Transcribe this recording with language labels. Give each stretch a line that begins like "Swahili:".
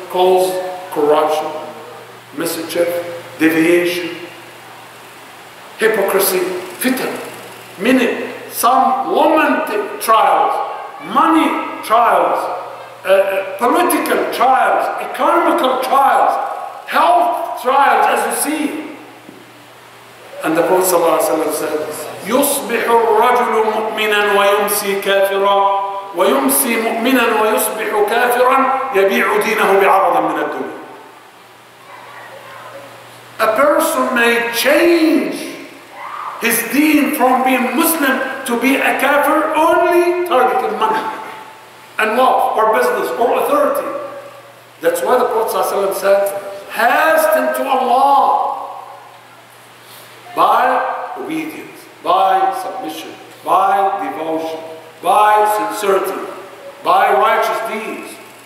English: Cause corruption, mischief, deviation, hypocrisy, fitan. Meaning some romantic trials, money trials, political trials, economical trials, health trials, as you see. And the Prophet sallallahu alaihi wasallam says,
Arabic: يُصْبِحُ الرَّجُلُ مُؤْمِنًا وَيُمْسِي كَافِرًا وَيُمْسِي مُؤْمِنًا وَيُصْبِحُ كَافِرًا يَبِيعُ دِينَهُ بِعَرَضًا مِنَ الدُّنْيَا.
English: A person may change his deen from being Muslim to be a kafir only targeted money and wealth or business or authority. That's why the Prophet sallallahu alaihi wasallam said, hasten to Allah by obedience, by submission, by devotion, by sincerity, by righteous deeds.